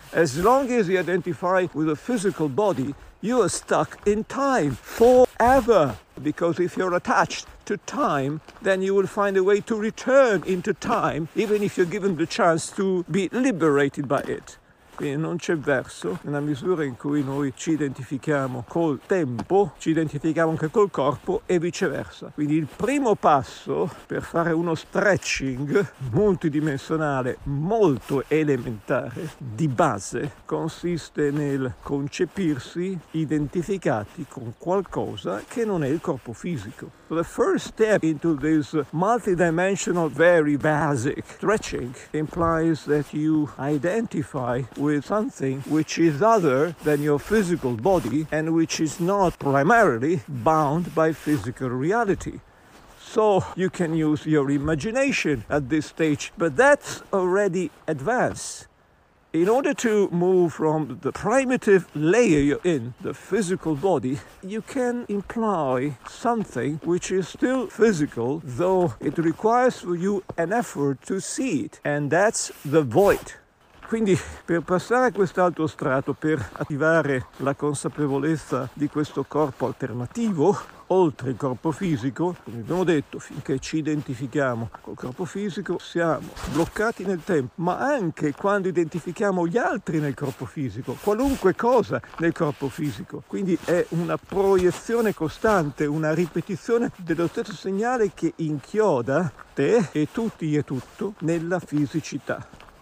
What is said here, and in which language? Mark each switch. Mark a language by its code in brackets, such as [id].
[en] As long as you identify with a physical body, you are stuck in time forever. Because if you're attached to time, then you will find a way to return into time, even if you're given the chance to be liberated by it. [it] Quindi non c'è verso, nella misura in cui noi ci identifichiamo col tempo, ci identifichiamo anche col corpo e viceversa. Quindi il primo passo per fare uno stretching multidimensionale, molto elementare, di base, consiste nel concepirsi identificati con qualcosa che non è il corpo fisico. [en] So the first step into this multidimensional, very basic stretching implies that you identify with something which is other than your physical body and which is not primarily bound by physical reality. So you can use your imagination at this stage, but that's already advanced. In order to move from the primitive layer you're in, the physical body, you can imply something which is still physical, though it requires for you an effort to see it, and that's the void. [it] Quindi per passare a quest'altro strato, per attivare la consapevolezza di questo corpo alternativo, oltre il corpo fisico, come abbiamo detto, finché ci identifichiamo col corpo fisico siamo bloccati nel tempo, ma anche quando identifichiamo gli altri nel corpo fisico, qualunque cosa nel corpo fisico, quindi è una proiezione costante, una ripetizione dello stesso segnale che inchioda te e tutti e tutto nella fisicità.